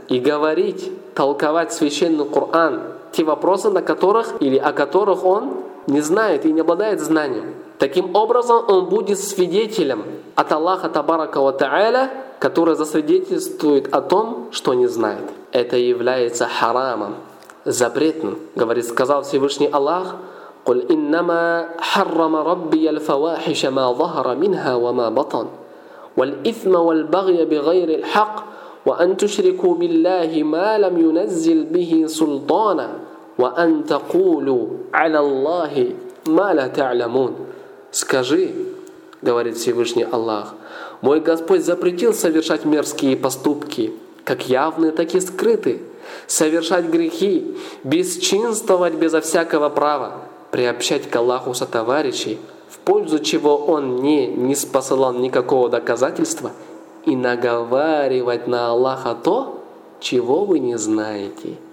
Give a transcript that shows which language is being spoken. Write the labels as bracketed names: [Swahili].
[Russian] И говорить, толковать священный Коран, те вопросы, на которых или о которых он не знает и не обладает знанием. Таким образом, он будет свидетелем от Аллаха Табарака ва Тааля, который засвидетельствует о том, что не знает. Это является харамом, запретным, говорит, сказал Всевышний Аллах, [Arabic] قل إنما حرم ربي الفواحش ما ظهر منها وما بطن والإثم والبغي بغير الحق وأن تشركوا بالله ما لم ينزل به سلطانا وأن تقولوا على الله ما لا تعلمون. [Russian] Скажи, говорит Всевышний Аллах, мой Господь запретил совершать мерзкие поступки, как явные, так и скрытые, совершать грехи, бесчинствовать безо всякого права, приобщать к Аллаху сотоварищей, в пользу чего он не посылал никакого доказательства, и наговаривать на Аллаха то, чего вы не знаете.